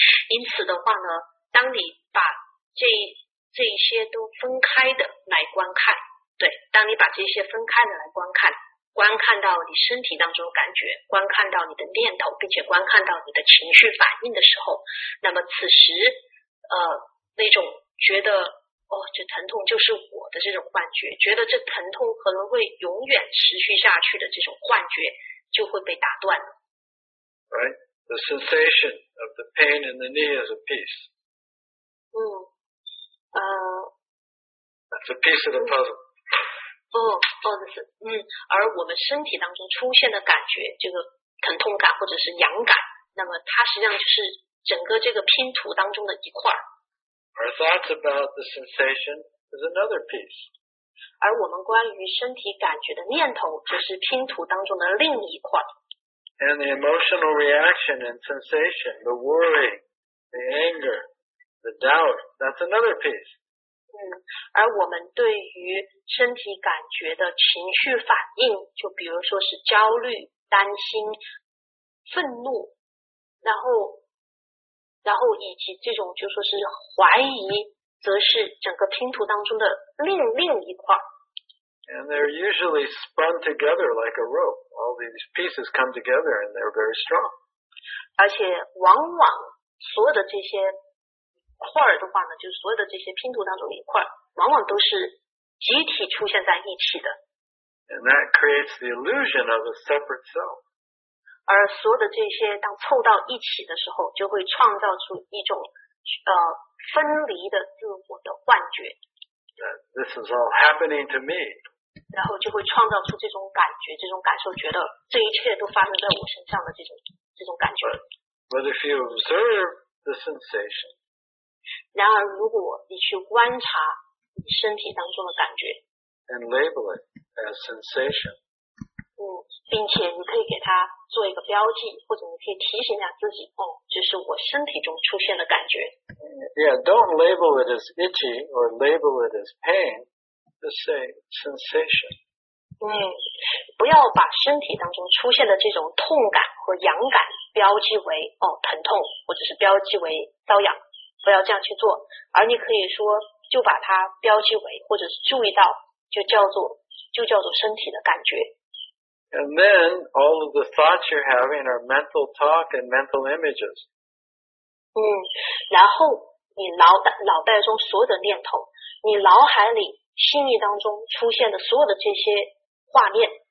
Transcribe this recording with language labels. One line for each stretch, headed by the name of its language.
Chinese: 因此的话呢，当你把这一些都分开的来观看，对，当你把这些分开的来观看，观看到你身体当中感觉，观看到你的念头，并且观看到你的情绪反应的时候，那么此时那种觉得这疼痛就是我的这种幻觉，觉得这疼痛可能会永远持续下去的这种幻觉就会被打断了。
English: Right, the sensation of the pain in the knee is a piece. That's a piece of the puzzle.
Chinese: 而我们身体当中出现的感觉，这个疼痛感或者是痒感，那么它实际上就是整个这个拼图当中的一块。
English: Our thoughts about the sensation is another piece.
Chinese: 而我们关于身体感觉的念头，就是拼图当中的另一块。
English: And the emotional reaction and sensation, the worry, the anger, the doubt, that's another piece.
Chinese: 而我们对于身体感觉的情绪反应，就比如说是焦虑、担心、愤怒，然后然后以及这种就是说是怀疑则是整个拼图当中的另一块。
English: And they're usually spun together like a rope. All these pieces come together and they're very strong.
Chinese: 而且往往所有的这些块的话呢，就是所有的这些拼图当中的一块，往往都是集体出现在一起的。
English: And that creates the illusion of a separate self.
Chinese: 而所有的这些当凑到一起的时候，就会创造出一种分离的自我的幻觉。
English: This is all happening to me.
Chinese: 然后就会创造出这种感觉，这种感受，觉得这一切都发生在我身上的这种感觉。
English: But if you observe the sensation,
Chinese: 然而如果你去观察你身体当中的感觉
English: ，and label it as sensation,
Chinese: 并且你可以给它做一个标记，或者你可以提醒一下自己，这是我身体中出现的感觉。
English: Yeah, don't label it as itchy or label it as pain. Just say sensation.
Chinese: 不要把身体当中出现的这种痛感和痒感标记为疼痛，或者是标记为瘙痒，不要这样去做。而你可以说，就把它标记为，或者是注意到，就叫做身体的感觉。
English: And then all of the thoughts you're having are mental talk and mental images.
Chinese: 然后你脑袋中所有的念头，你脑海里、心意当中出现的所有的这些画面。